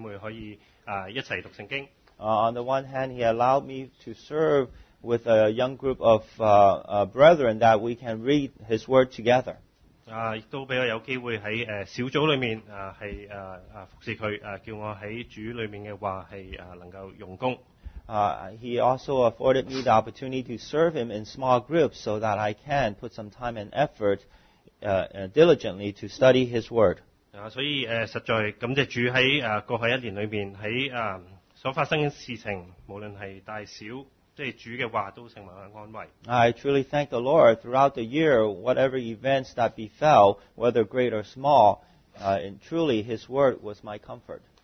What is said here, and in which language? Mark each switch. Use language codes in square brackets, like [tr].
[zh] 他一方面,他讓我有機會可以和一班年輕的弟兄姊妹可以一起讀聖經。 [en] On the one hand, he allowed me to serve with a young group of brethren that we can read his word together. [zh] 亦都讓我有機會在小組裡面服侍他,叫我在主裡面的話能夠用功。 [en] He also afforded me the opportunity to serve him in small groups so that I can put some time and effort diligently to study his word. [zh] 所以實在感謝主在過去一年裡面所發生的事情,無論是大小,主的話都成為安慰。 [en] I truly thank the Lord throughout the year, whatever events that befell, whether great or small, and truly his word was my comfort.